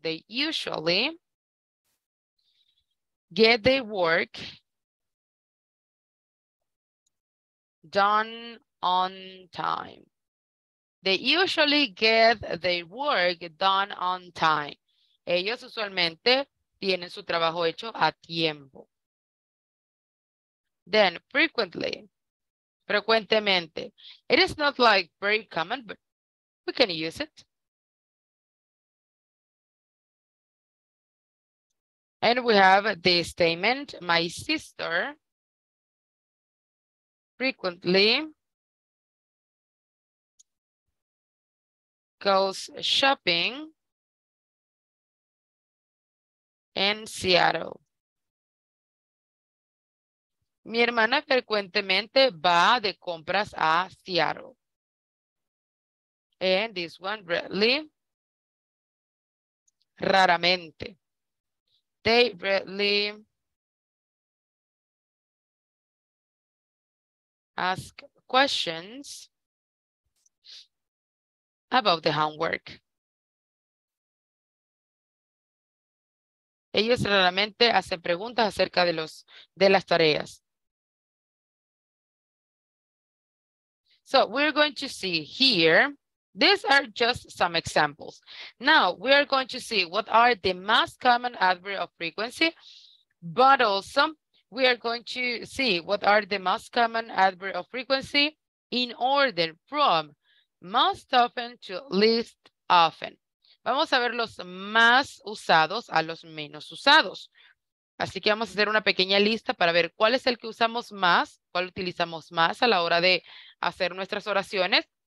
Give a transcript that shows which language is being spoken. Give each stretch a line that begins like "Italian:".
English: They usually get their work done on time. They usually get their work done on time.
Spanish: Ellos usualmente tienen su trabajo hecho a tiempo.
English: Then, frequently. Frecuentemente. It is not like very common, but we can use it. And we have the statement, my sister frequently goes shopping in Seattle.
Spanish: Mi hermana frecuentemente va de compras a Seattle.
English: And this one, rarely. Raramente. They rarely ask questions about the homework.
Spanish: Ellos raramente hacen preguntas acerca de las tareas.
English: So we're going to see here, these are just some examples. Now we are going to see what are the most common adverb of frequency, but also we are going to see what are the most common adverb of frequency in order from most often to least often.
Spanish: Vamos a ver los más usados a los menos usados. Así que vamos a hacer una pequeña lista para ver cuál es el que usamos más, cuál utilizamos más a la hora de hacer nuestras oraciones.